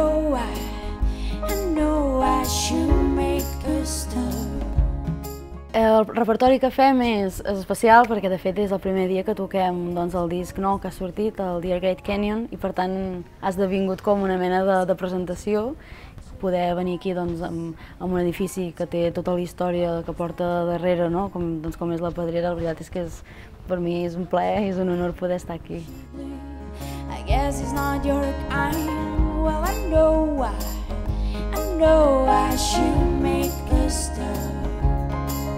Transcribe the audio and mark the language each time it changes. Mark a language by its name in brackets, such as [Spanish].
[English] Well, I know I should make a stop. [Catalan] El repertori que fem és especial perquè de fet és el primer dia que toquem doncs, el disc nou que ha sortit, el Dear Great Canyon, i per tant ha esdevingut com una mena de presentació. Poder venir aquí doncs, amb un edifici que té tota la història que porta darrere, no? com és la Pedrera, la veritat és que és, per mi és un plaer i és un honor poder estar aquí. [English] I guess it's not your kind. Well, I know I should make a stop.